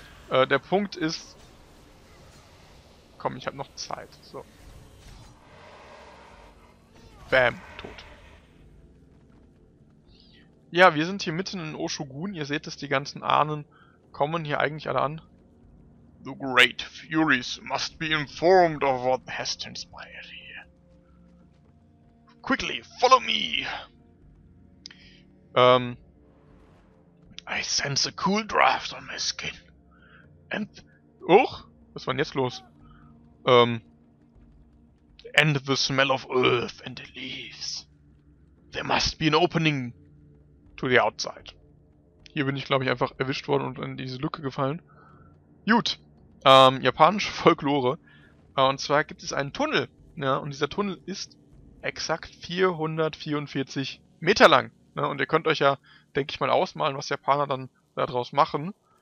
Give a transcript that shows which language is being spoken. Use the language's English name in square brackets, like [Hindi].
[German] Der Punkt ist... Komm, ich habe noch Zeit. So. Bam, tot. Ja, wir sind hier mitten in Oshogun. Ihr seht es, die ganzen Ahnen kommen hier eigentlich alle an. [English] The great Furies must be informed of what has transpired here. Quickly, follow me! I sense a cool draft on my skin. And... [German] Uch, was war denn jetzt los? [English] And the smell of earth and the leaves. There must be an opening to the outside. [German] Hier bin ich, glaube ich, einfach erwischt worden und in diese Lücke gefallen. Gut, japanische Folklore. Und zwar gibt es einen Tunnel. Ja, und dieser Tunnel ist exakt 444 Meter lang. Ja, und ihr könnt euch ja, denke ich mal, ausmalen, was Japaner dann daraus machen.